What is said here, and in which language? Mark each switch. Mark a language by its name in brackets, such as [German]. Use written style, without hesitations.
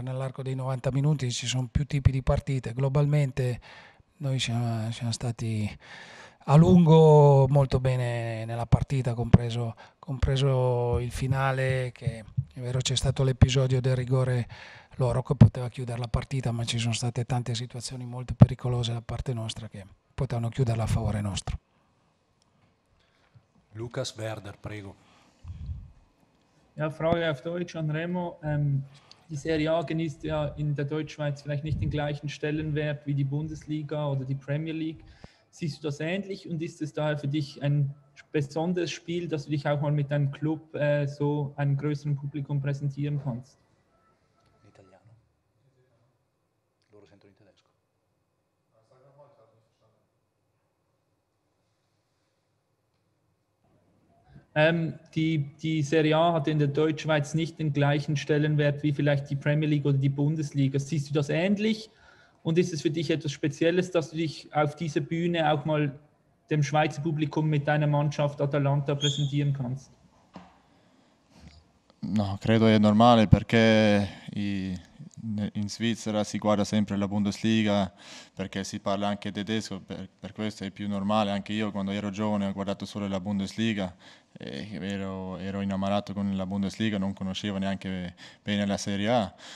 [Italian] Nell'arco dei 90 minuti ci sono più tipi di partite. Globalmente noi siamo stati a lungo molto bene nella partita, compreso il finale, che è vero c'è stato l'episodio del rigore loro che poteva chiudere la partita, ma ci sono state tante situazioni molto pericolose da parte nostra che potevano chiuderla a favore nostro. Lucas Werder, prego. [German] Ja, Frage auf Deutsch an Remo. Die Serie A genießt ja in der Deutschschweiz vielleicht nicht den gleichen Stellenwert wie die Bundesliga oder die Premier League. Siehst du das ähnlich und ist es daher für dich ein besonderes Spiel, dass du dich auch mal mit deinem Club so einem größeren Publikum präsentieren kannst? [Italian] In italiano. Loro sentono in tedesco. [German] Die Serie A hatte in der Deutschschweiz nicht den gleichen Stellenwert wie vielleicht die Premier League oder die Bundesliga. Siehst du das ähnlich? Und ist es für dich etwas Spezielles, dass du dich auf dieser Bühne auch mal dem Schweizer Publikum mit deiner Mannschaft Atalanta präsentieren kannst? [Italian] No, credo è normale, perché in Svizzera si guarda sempre la Bundesliga, perché si parla anche tedesco, per questo è più normale. Anche io quando ero giovane ho guardato solo la Bundesliga, ero innamorato con la Bundesliga, non conoscevo neanche bene la Serie A.